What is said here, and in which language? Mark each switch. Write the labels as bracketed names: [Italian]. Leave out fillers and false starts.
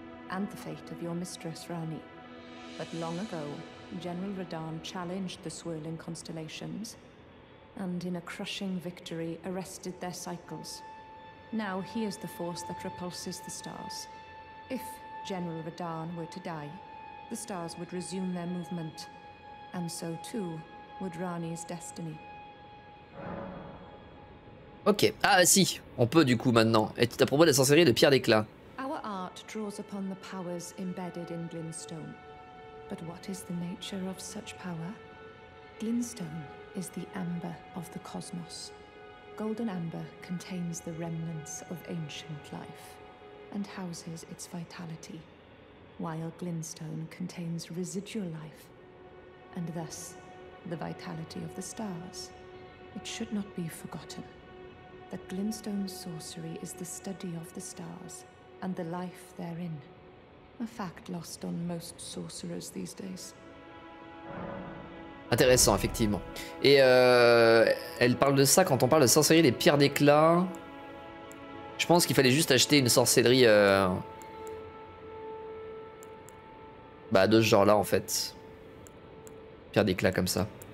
[English] And the fate of your mistress, Rani. But long ago, General Radahn challenged the swirling constellations, and in a crushing victory, arrested their cycles. Now he is the force that repulses the stars. If General Radahn were to die, the stars would resume their movement, and so too would Rani's destiny. [French] Ok, ah si, on peut du coup maintenant. Et à propos de la sorcellerie de Pierre d'Éclat. [English] Draws upon the powers embedded in Glinstone. But what is the nature of such power? Glinstone is the amber of the cosmos. Golden amber contains the remnants of ancient life and houses its vitality, while Glinstone contains residual life and thus the vitality of the stars. It should not be forgotten that Glinstone's sorcery is the study of the stars. And the life therein. A fact lost on most sorcerers these days. [French] Intéressant, effectivement. Et elle parle de ça quand on parle de sorcellerie des pierres d'éclat. Je pense qu'il fallait juste acheter une sorcellerie... Bah, de ce genre-là, en fait. Pierre d'éclat, comme ça.